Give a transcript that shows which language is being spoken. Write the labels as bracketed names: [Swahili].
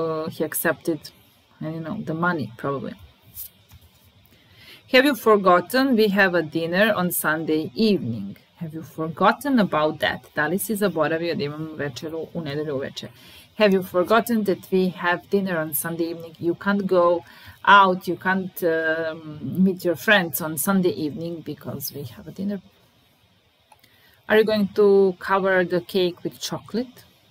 [English] He accepted, the money probably. Have you forgotten we have a dinner on Sunday evening? Have you forgotten about that? [Serbian] Da li si zaboravio da imamo večeru u nedelju uveče? [English] Have you forgotten that we have dinner on Sunday evening? You can't go out, you can't meet your friends on Sunday evening because we have a dinner. Are you going to cover the cake with chocolate?